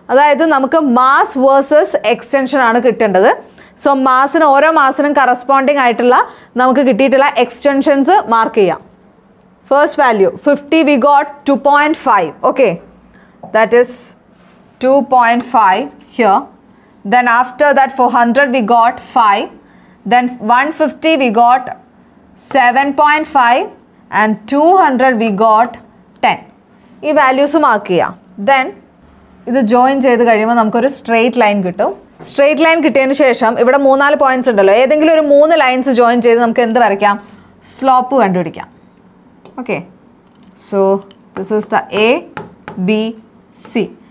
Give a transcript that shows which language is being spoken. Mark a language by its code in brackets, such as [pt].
[ml] അതായത് നമുക്ക് mass versus extension ആണ് കിട്ടേണ്ടത്. സോ മാസിന് ഓരോ മാസിനും കറസ്പോണ്ടിങ് ആയിട്ടുള്ള നമുക്ക് കിട്ടിയിട്ടുള്ള എക്സ്റ്റെൻഷൻസ് മാർക്ക് ചെയ്യാം. [en] First value 50 we got 2.5. Okay, that is 2.5 here. Then after that, for 100 we got 5, then 150 we got 7.5 and 200 we got 10. [ml] ee values mark kiya. [en] Then [ml] ഇത് join ചെയ്ത് കഴിയുമ്പോൾ നമുക്കൊരു സ്ട്രെയിറ്റ് ലൈൻ കിട്ടും. Straight line കിട്ടിയതിന് ശേഷം ഇവിടെ മൂന്നാല് പോയിന്റ്സ് ഉണ്ടല്ലോ, ഏതെങ്കിലും ഒരു മൂന്ന് ലൈൻസ് ജോയിൻ ചെയ്ത് നമുക്ക് എന്ത് വരയ്ക്കാം? സ്ലോപ്പ് കണ്ടുപിടിക്കാം. [en] Okay, so this is the A B C.